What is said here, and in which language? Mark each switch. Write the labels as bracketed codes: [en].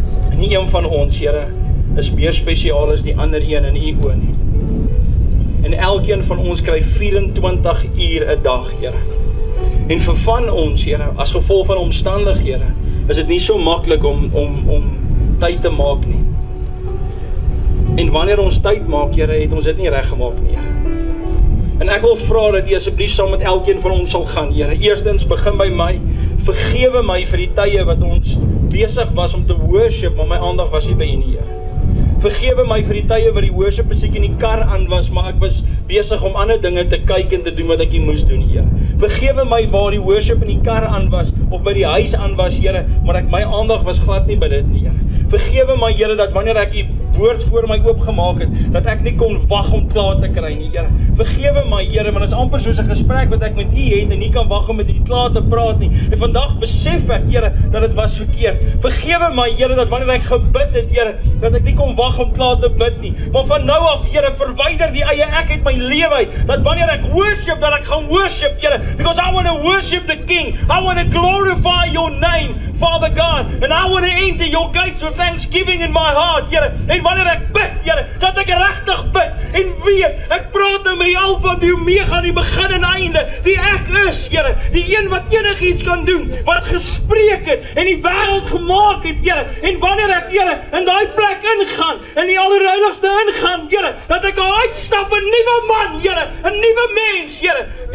[af] En nie een van ons, Here, is meer spesiaal as die ander een in U oë nie. En elkeen van ons kry 24 uur 'n dag, Here. En vir van ons, Here, as gevolg van omstandighede, is dit nie so maklik om tyd te maak nie. En wanneer ons tyd maak, Here, het ons dit nie reg gemaak nie. En ek wil vra dat U asseblief saam met elkeen van ons sal gaan, Here. Eerstens begin by my. Vergewe my vir die tye wat ons besig was om te worship, maar my aandag was nie by U nie, Here. Vergewe my vir die tye wat die worship musiek in die kar aan was, maar ek was besig om ander dinge te kyk en te doen wat ek nie moes doen, Here. Vergewe my waar die worship in die kar aan was of by die huis aan was, Here, maar ek my aandag was glad nie by dit nie, Here. Vergewe my, Here, dat wanneer ek U woord voor my oopgemaak het, dat ek nie kon wag om klaar te kry nie, Here. Vergewe my, Here, want dit is amper soos 'n gesprek wat ek met U het en nie kan wag om met U klaar te praat nie. En vandag besef ek, Here, dat dit was verkeerd. Vergewe my, Here, dat wanneer ek gebid het, Here, dat ek nie kon wag om klaar te bid nie. Maar van nou af, Here, verwyder die eie ek uit my lewe uit, dat wanneer ek worship, dat ek gaan worship, Here, [en] because I want to worship the King. I want to glorify Your name, Father God, and I want to enter Your gates with thanksgiving in my heart, Here. [af] En wanneer ek bid, Here, dat ek regtig bid en weet, ek praat nou met die Alfa, die Omega, die begin en einde, die ek is, Here, die een wat enigiets kan doen, wat gespreek het en die wêreld gemaak het, Here. En wanneer ek, Here, in daai plek ingaan, in die allerheiligste ingaan, Here, dat ek uitstap 'n nuwe man, Here, 'n nuwe mens, Here.